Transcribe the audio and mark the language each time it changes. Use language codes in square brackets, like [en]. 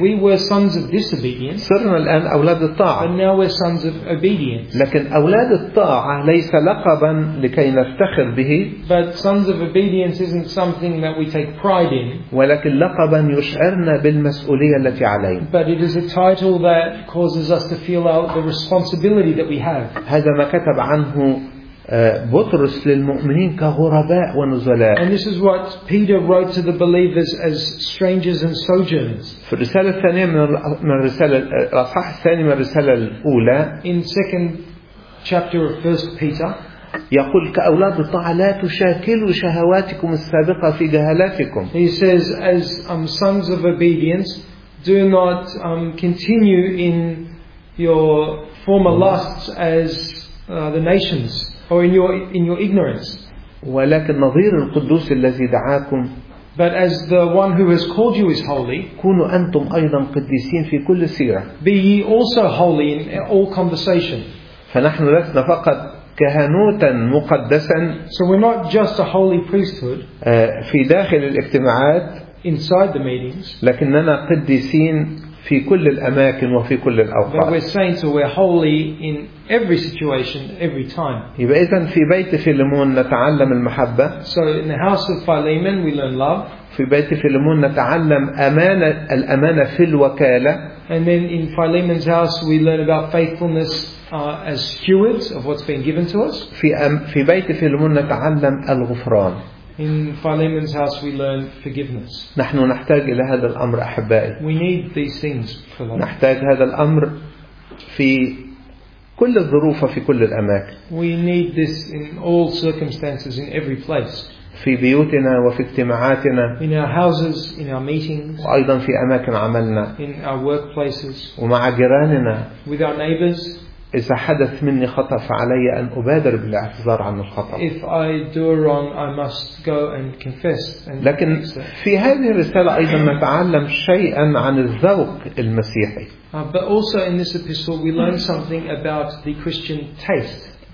[en] We were sons of disobedience. [ar] صرنا الآن أولاد الطاعة. [en] And now we're sons of obedience. [ar] لكن أولاد الطاعة ليس لقبا لكي نفتخر به. [en] But sons of obedience isn't something that we take pride in. [ar] ولكن لقبا يشعرنا بالمسؤولية التي علينا. [en] But it is a title that causes us to feel out the responsibility that we have. [ar] هذا ما كتب عنه بطرس للمؤمنين كغرباء ونزلاء. [en] And this is what Peter wrote to the believers as strangers and sojourners. [ar] في الرسالة الثانية من الرسالة الأصحاح الثاني من الرسالة الأولى. [en] In second chapter of first Peter. [ar] يقول كأولاد الطاعة لا تشاكلوا شهواتكم السابقة في جهالاتكم. [en] He says as sons of obedience, do not continue in your former lusts as the nations, or in your ignorance. [ar] ولكن نظير القدوس الذي دعاكم. [en] But as the one who has called you is holy, [ar] كونوا أنتم أيضا قديسين في كل سيرة. [en] Be ye also holy in all conversation. [ar] فنحن لسنا فقط كهنوتا مقدسا. [en] So we're not just a holy priesthood. [ar] في داخل الاجتماعات. [en] Inside the meetings. [ar] لكننا قديسين في كل الأماكن وفي كل الأوقات. [en] But we're saints, or we're holy in every situation, every time. [ar] يبقى إذن في بيت فيلمون نتعلم المحبة. [en] So in the house of Philemon we learn love. [ar] في بيت فيلمون نتعلم أمانة الأمانة في الوكالة. [en] And then in Philemon's house we learn about faithfulness as stewards of what's been given to us. [ar] في بيت فيلمون نتعلم الغفران. [en] In Philemon's house we learn forgiveness. [ar] نحن نحتاج إلى هذا الأمر أحبائي. [en] We need these things for life. [ar] نحتاج هذا الأمر في كل الظروف وفي كل الأماكن. [en] We need this in all circumstances, in every place. [ar] في بيوتنا وفي اجتماعاتنا. [en] In our houses, in our meetings. [ar] وأيضا في أماكن عملنا. [en] In our workplaces. [ar] ومع جيراننا. [en] With our neighbors. [ar] إذا حدث مني خطأ فعلي أن أبادر بالاعتذار عن الخطأ. [en] If I do wrong, I must go and confess. [ar] لكن في هذه الرسالة أيضا نتعلم شيئا عن الذوق المسيحي. [en] But also in this epistle we learn something about the Christian taste.